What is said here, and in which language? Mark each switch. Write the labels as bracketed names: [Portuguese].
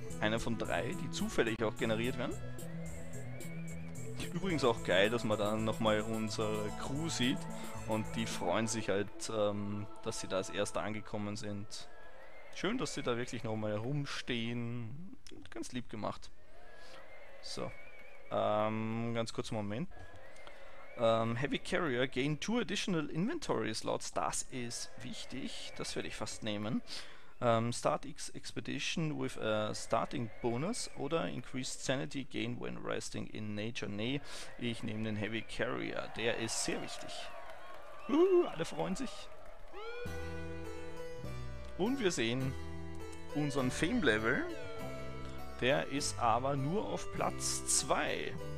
[German] Eine von drei, die zufällig auch generiert werden. Übrigens auch geil, dass man dann nochmal unsere Crew sieht und die freuen sich halt, dass sie da als Erste angekommen sind. Schön, dass sie da wirklich nochmal rumstehen. Ganz lieb gemacht. So. Ganz kurz einen Moment. [English] Heavy Carrier gain 2 additional inventory slots. [German] Das ist wichtig. Das werde ich fast nehmen. [English] Start X Expedition with a starting bonus [German] oder [English] increased sanity gain when resting in nature. [German] Nee, ich nehme den Heavy Carrier. Der ist sehr wichtig. Alle freuen sich. Und wir sehen unseren Fame Level. Der ist aber nur auf Platz 2.